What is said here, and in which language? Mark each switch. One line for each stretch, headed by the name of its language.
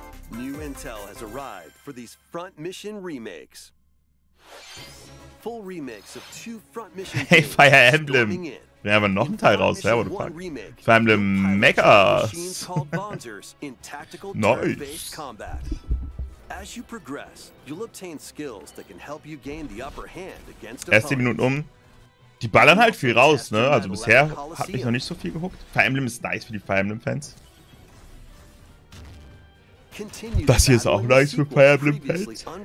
English: New Intel has arrived for these front mission remakes. full remix of two front missions. Hey, Fire Emblem.
German: Wir haben noch einen Teil raus, ja, Fire Emblem Megas. Nice.
English: As you progress, you'll obtain skills that can help you gain the upper hand against opponents.
German: Erst 10 Minuten um. Die ballern halt viel raus, ne? Also bisher habe ich noch nicht so viel gehuckt. Fire Emblem ist nice für die Fire Emblem-Fans. Das hier ist auch nice für Fire Emblem-Fans.